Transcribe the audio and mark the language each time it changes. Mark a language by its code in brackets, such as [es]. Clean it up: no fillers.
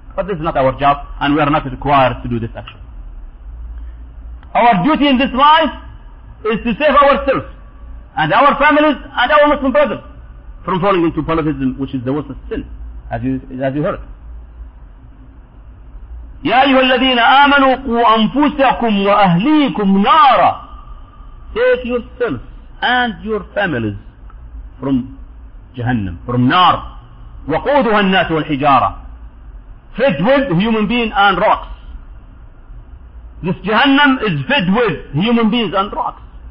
[en] But this is not our job, and we are not required to do this action. Our duty in this life is to save ourselves, and our families, and our Muslim brothers, from falling into polytheism, which is the worst of sin, as you heard. [ar] يا أيها الذين آمنوا قوا أنفسكم وأهليكم نارا. [en] Save yourselves and your families from Jahannam, from نار. [ar] وقودها الناس والحجارة. [en] Fed with human beings and rocks. This Jahannam is fed with human beings and rocks.